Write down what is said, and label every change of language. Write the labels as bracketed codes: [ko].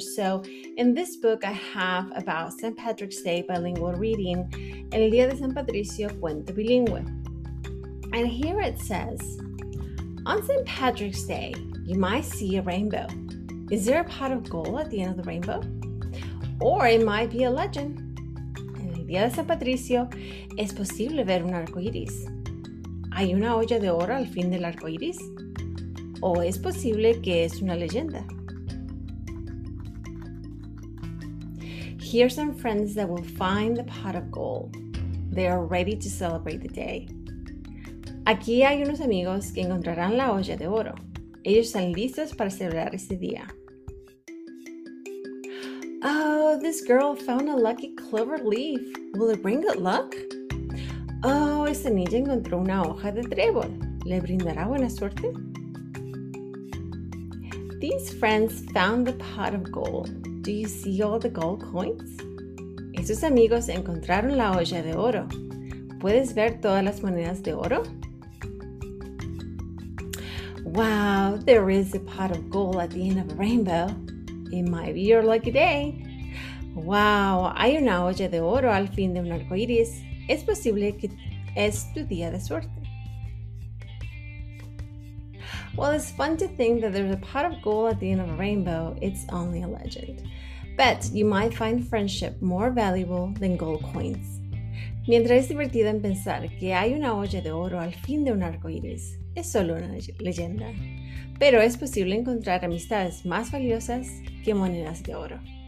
[en] So in this book, I have about St. Patrick's Day bilingual reading, [es] El Día de San Patricio, Cuento Bilingüe. [en] And here it says, "On St. Patrick's Day, you might see a rainbow. Is there a pot of gold at the end of the rainbow? Or it might be a legend. [es] En el día de San Patricio, es posible ver un arco iris. ¿Hay una olla de oro al fin del arco iris? ¿O es posible que es una leyenda?" [en] Here's some friends that will find the pot of gold. They are ready to celebrate the day. [es] Aquí hay unos amigos que encontrarán la olla de oro. Ellos están listos para celebrar ese día. [en] Oh, this girl found a lucky clover leaf. Will it bring good luck? [es] Oh, esa niña encontró una hoja de trébol. ¿Le brindará buena suerte? [en] These friends found the pot of gold. Do you see all the gold coins? [es] Esos amigos encontraron la olla de oro. ¿Puedes ver todas las monedas de oro? [en] Wow, there is a pot of gold at the end of a rainbow. It might be your lucky day. [es] Wow, hay una olla de oro al fin de un arco iris. Es posible que es tu día de suerte. [en] Well, it's fun to think that there's a pot of gold at the end of a rainbow. It's only a legend. Bet you might find friendship more valuable than gold coins. [es] Mientras es divertido en pensar que hay una olla de oro al fin de un arco iris, es solo una leyenda. Pero es posible encontrar amistades más valiosas que monedas de oro.